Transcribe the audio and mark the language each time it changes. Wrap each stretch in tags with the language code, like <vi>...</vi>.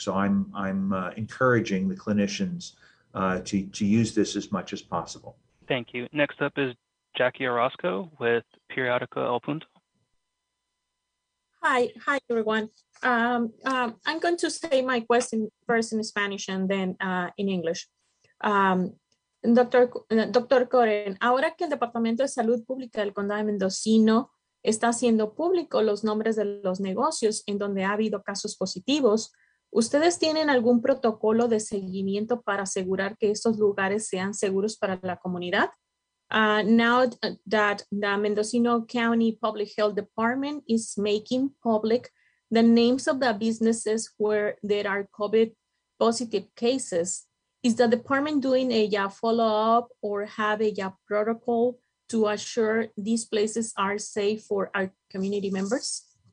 <en>So I'm encouraging the clinicians to use this as much as possible. Thank you. Next up is Jackie Orozco with Periodica El Punto. Hi, everyone. I'm going to say my question first in Spanish and then in English.</en> <es>Doctor Coren, ahora que el Departamento de Salud Pública del Condado de Mendocino está haciendo público los nombres de los negocios en donde ha habido casos positivos, ¿ustedes tienen algún protocolo de seguimiento para asegurar que estos lugares sean seguros para la comunidad?</es> <en>Now that the Mendocino County Public Health Department is making public the names of the businesses where there are COVID positive cases, is the department doing a follow-up or have a protocol to assure these places are safe for our community members?</en>